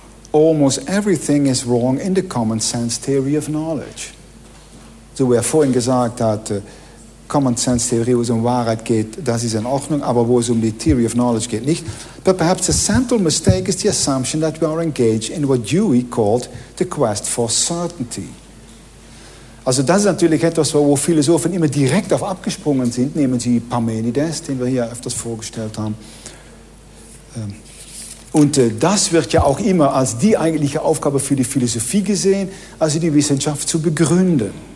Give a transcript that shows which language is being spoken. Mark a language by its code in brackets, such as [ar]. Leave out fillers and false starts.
[en] Almost everything is wrong in the common sense theory of knowledge. [de] So wie er vorhin gesagt hat, [en] common sense theory, [de] wo es um Wahrheit geht, das ist in Ordnung, aber wo es um die [en] theory of knowledge [de] geht, nicht. [en] But perhaps the central mistake is the assumption that we are engaged in what Dewey called the quest for certainty. [de] Also das ist natürlich etwas, wo Philosophen immer direkt auf abgesprungen sind, nehmen Sie Parmenides, den wir hier öfters vorgestellt haben. Und das wird ja auch immer als die eigentliche Aufgabe für die Philosophie gesehen, also die Wissenschaft zu begründen.